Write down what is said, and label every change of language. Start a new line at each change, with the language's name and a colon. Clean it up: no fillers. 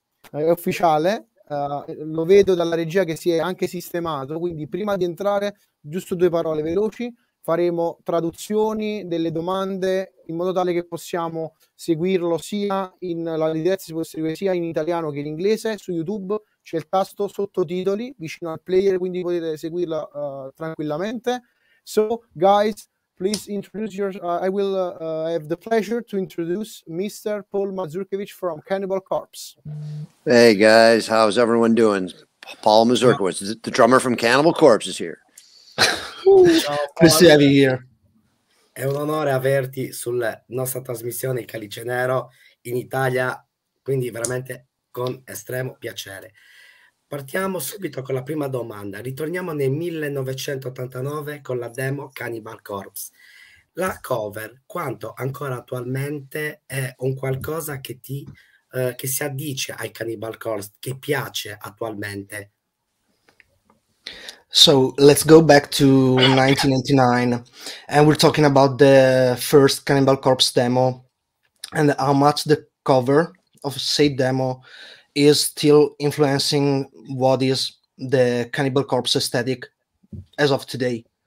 Italian: è ufficiale, lo vedo dalla regia che si è anche sistemato, quindi prima di entrare, giusto due parole veloci. Faremo traduzioni delle domande in modo tale che possiamo seguirlo sia in la si può seguire sia in italiano che in inglese. Su YouTube c'è il tasto sottotitoli vicino al player, quindi potete seguirla tranquillamente.
English: So, guys, please introduce your I will have the pleasure to introduce Mr. Paul Mazurkiewicz from Cannibal Corpse. Hey guys, how's everyone doing? Paul Mazurkiewicz, the drummer from Cannibal Corpse is here.
Italian: Ciao Paul, è un onore averti sulla nostra trasmissione Il Calice Nero in Italia, quindi veramente con estremo piacere. Partiamo subito con la prima domanda. Ritorniamo nel 1989 con la demo Cannibal Corpse. La cover, quanto ancora attualmente, è un qualcosa che che si addice ai Cannibal Corpse, che piace attualmente?
English: So let's go back to 1989, and we're talking about the first Cannibal Corpse demo and how much the cover of said demo is still influencing what is the Cannibal Corpse aesthetic as of today.